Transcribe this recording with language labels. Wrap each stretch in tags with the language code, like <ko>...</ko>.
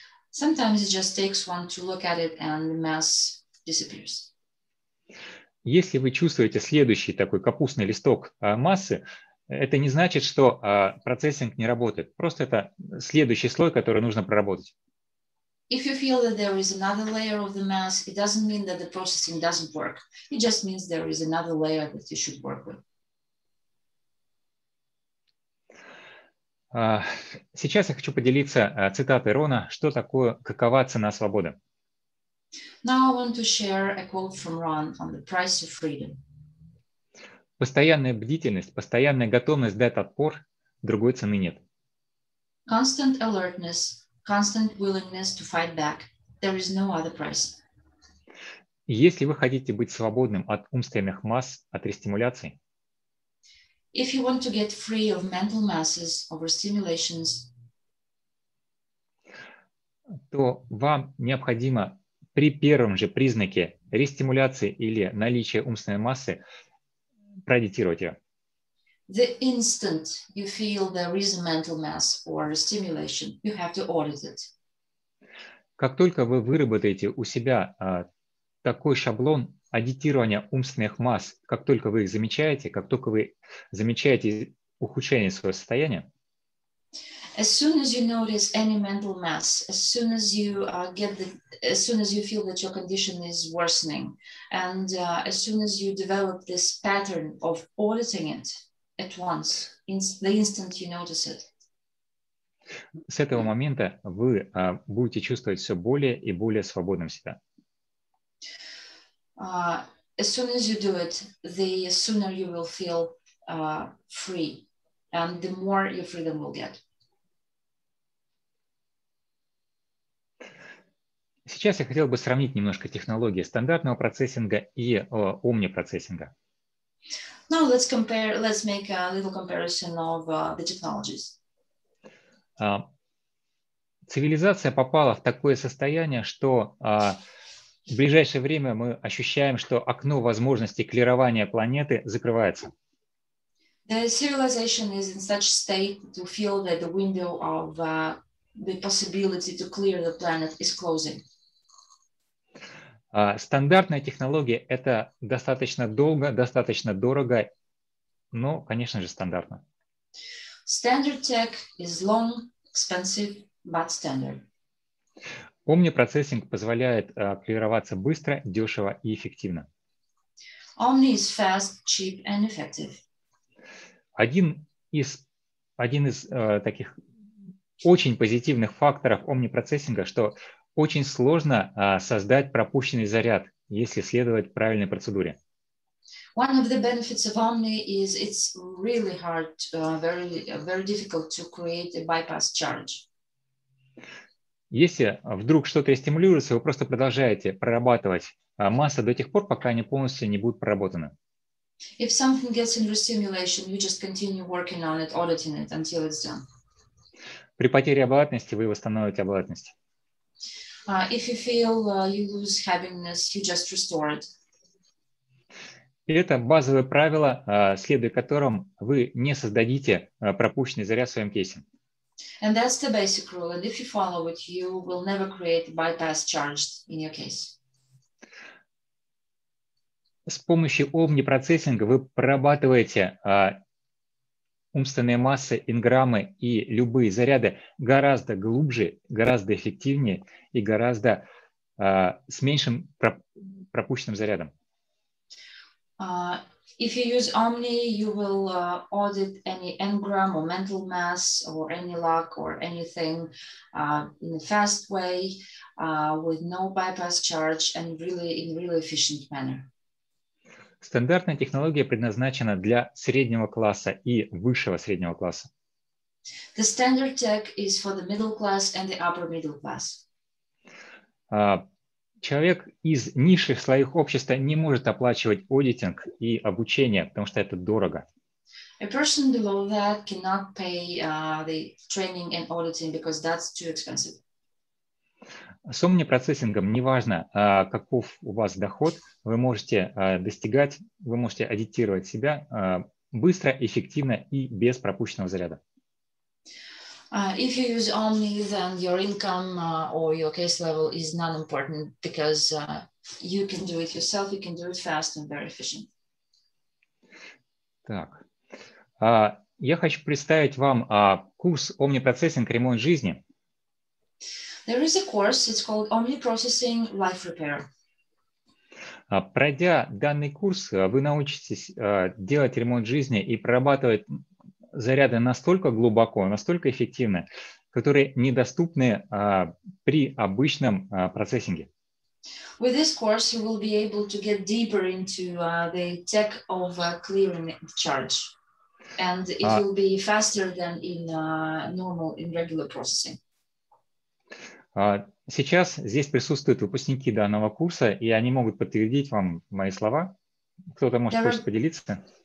<en>Sometimes it just takes one to look at it and the mass disappears.</en> <ru>Если вы чувствуете следующий такой капустный листок массы, это не значит, что процессинг не работает. Просто это следующий слой, который нужно проработать.</ru> <en>If you feel that there is another layer of the mass, it doesn't mean that the processing doesn't work. It just means there is another layer that you should work with.</en> <ru>Сейчас я хочу поделиться цитатой Рона, что такое, какова цена свободы.</ru> <en>Now I want to share a quote from Ron on the price of freedom.</en> <ru>Постоянная бдительность, постоянная готовность дать отпор, другой цены нет.</ru> <en>Constant alertness, constant willingness to fight back. There is no other price.</en> <ru>Если вы хотите быть свободным от умственных масс, от рестимуляций,</ru> <en>if you want to get free of mental masses, over stimulations,</en> <ru>то вам необходимо при первом же признаке рестимуляции или наличия умственной массы продитировать ее.</ru> <en>The instant you feel there is a mental mass or a stimulation, you have to audit it.</en> <ru>Как только вы выработаете у себя такой шаблон аудитирования умственных масс, как только вы их замечаете, как только вы замечаете ухудшение своего состояния,</ru> <en>as soon as you notice any mental mass, as soon as you get the, as soon as you feel that your condition is worsening, and as soon as you develop this pattern of auditing it at once, in the instant you notice it.</en> <ru>С этого момента вы будете чувствовать все более и более свободным себя.</ru> <en>As soon as you do it, the sooner you will feel free, and the more your freedom will get.</en> <ru>Сейчас я хотел бы сравнить немножко технологии стандартного процессинга и омнипроцессинга.</ru> <en>Now let's compare, let's make a little comparison of the technologies.</en> <ru>Цивилизация попала в такое состояние, что в ближайшее время мы ощущаем, что окно возможностей клирования планеты закрывается.</ru> <en>The civilization is in such state to feel that the window of the possibility to clear the planet is closing.</en> <ru>Стандартная технология – это достаточно долго, достаточно дорого, но, конечно же, стандартно.</ru> <en>Standard tech is long, expensive, but standard.</en> <ru>Омнипроцессинг позволяет клироваться быстро, дешево и эффективно.</ru> <en>Omni is fast, cheap and effective.</en> <ru>Один из таких очень позитивных факторов омнипроцессинга, что очень сложно создать пропущенный заряд, если следовать правильной процедуре.</ru> <en>One of the benefits of Omni is it's really hard, very difficult to create a bypass charge.</en> <ru>Если вдруг что-то стимулируется, вы просто продолжаете прорабатывать массу до тех пор, пока они полностью не будут проработаны.</ru> <en>If something gets under stimulation, you just continue working on it, auditing it until it's done.</en> <ru>При потере обладательности вы восстановите обладательность.</ru> <en>If you feel you lose happiness, you just restore it.</en> <ru>И это базовое правило, следуя которым вы не создадите пропущенный заряд в своем кейсе.</ru> <en>And that's the basic rule. And if you follow it, you will never create bypass charge in your case.</en> <ru>С помощью омнипроцессинга вы прорабатываете умственные массы, инграммы и любые заряды гораздо глубже, гораздо эффективнее и гораздо с меньшим пропущенным зарядом.</ru> <en>If you use Omni, you will audit any engram or mental mass or any lock or anything in a fast way with no bypass charge and really in really efficient manner.</en> <ru>Стандартная технология предназначена для среднего класса и высшего среднего класса.</ru> <en>The standard tech is for the middle class and the upper middle class.</en> <ru>Человек из низших слоев общества не может оплачивать аудитинг и обучение, потому что это дорого.</ru> <en>A person below that cannot pay the training and auditing because that's too expensive.</en> <ru>С омнипроцессингом неважно, каков у вас доход, вы можете достигать, вы можете аудитировать себя быстро, эффективно и без пропущенного заряда.</ru> <en>If you use Omni, then your income or your case level is not important because you can do it yourself, you can do it fast and very efficient.</en> <ru>Так. Я хочу представить вам курс омнипроцессинг «Ремонт жизни».</ru> <en>There is a course, it's called Omniprocessing Life Repair.</en> <ru>Пройдя данный курс, вы научитесь делать ремонт жизни и прорабатывать заряды настолько глубоко, настолько эффективны, которые недоступны при обычном процессинге.</ru> <en>With this course, you will be able to get deeper into the tech of clearing the charge, and it will be faster than in normal, in regular processing.</en> <ru>Сейчас здесь присутствуют выпускники данного курса, и они могут подтвердить вам мои слова. Кто-то может хочет поделиться?</ru>